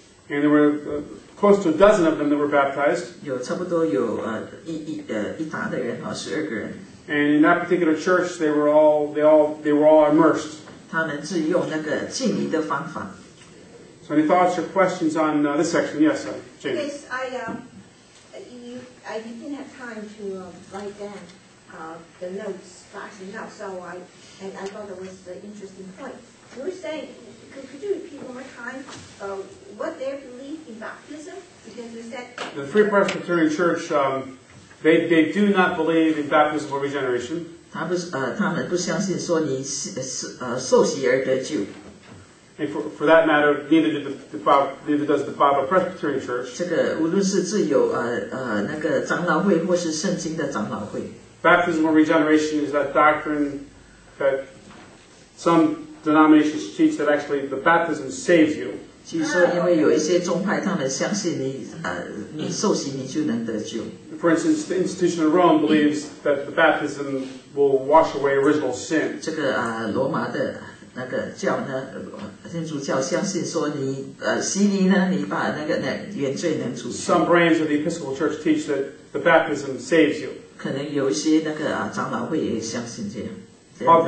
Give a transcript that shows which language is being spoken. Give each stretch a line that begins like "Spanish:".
English: and there were close to a dozen of them that were baptized.
Chinese: 有差不多有, 一达的人,
English: and in that particular church, they were all immersed.
Chinese: 他们是用那个浸礼的方法。
English: So any thoughts or questions on this section? Yes, Jane. Yes, I didn't have time to write down the notes fast enough, so I thought it was an interesting point. You were saying, could you repeat one more time what their belief in baptism? Because you said the Free Presbyterian Church, they do not believe in baptism or regeneration.
Chinese: 他们不相信说你受洗而得救。
English: And for that matter, neither does the Bible Presbyterian Church.
Chinese: 这个无论是自由, 那个长老会或是圣经的长老会。
English: Baptismal regeneration is that doctrine that some denominations teach that actually the baptism saves you.
Chinese: 其实说因为有一些宗派他们相信你, 你受洗你就能得救。
English: For instance, the institution of Rome believes that the baptism will wash away original sin.
Chinese: 这个, 罗马的。那个教呢，天主教相信说你洗礼呢，你把那个原罪能除。
English: Some branches of the Episcopal Church teach that the baptism saves you.
Chinese: 可能有一些那个长老会也相信这样。Oh,